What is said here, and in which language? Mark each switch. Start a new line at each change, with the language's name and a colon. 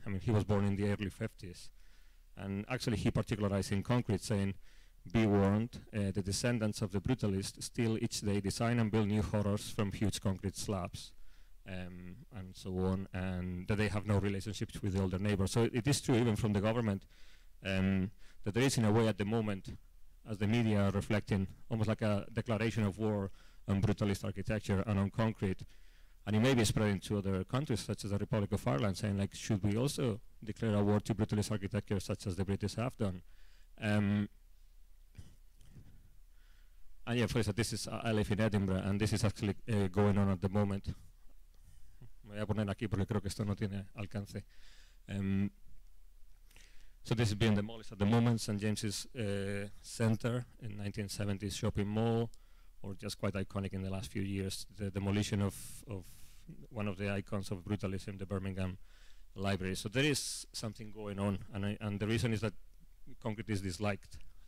English: I mean, he was born in the early 50s. And actually, he particularized in concrete, saying, "Be warned, the descendants of the brutalists still each day design and build new horrors from huge concrete slabs," and so on, and that they have no relationships with the older neighbors. So it is true, even from the government, that there is, in a way, at the moment, as the media are reflecting, almost like a declaration of war on brutalist architecture and on concrete. And it may be spreading to other countries, such as the Republic of Ireland, saying, like, should we also declare a war to brutalist architecture, such as the British have done? And yeah, for instance, this is, I live in Edinburgh, and this is actually going on at the moment.
Spanish: Me voy a poner aquí porque creo que esto no tiene alcance.
English: So this is being demolished at the moment, St. James's Center in 1970s shopping mall, or just quite iconic in the last few years, the demolition of one of the icons of brutalism, the Birmingham Library. So there is something going on, and the reason is that concrete is disliked.